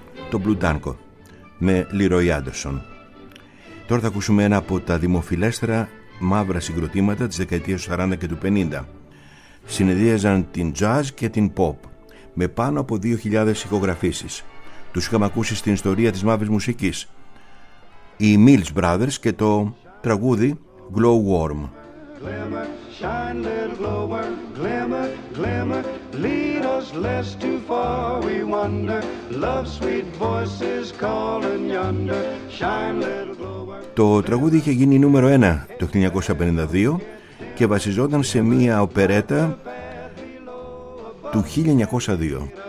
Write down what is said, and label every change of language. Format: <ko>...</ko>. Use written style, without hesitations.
<el>το Blue Tango με Leroy Anderson. Τώρα θα ακούσουμε ένα από τα δημοφιλέστερα μαύρα συγκροτήματα της δεκαετίας του 40 και του 50. Συνεδίαζαν την jazz και την pop με πάνω από 2.000 ηχογραφήσεις. Τους είχαμε ακούσει στην ιστορία της μαύρης μουσικής. Οι Mills Brothers και το τραγούδι Glow Worm.</el> <en>Shine, little glowworm, glimmer, glimmer, lead us less too far, we wonder. Love's sweet voice is calling yonder. Shine, little glowworm.</en> <el>Το τραγούδι είχε γίνει νούμερο 1 το 1952 και βασιζόταν σε μία οπερέτα του 1902.</el>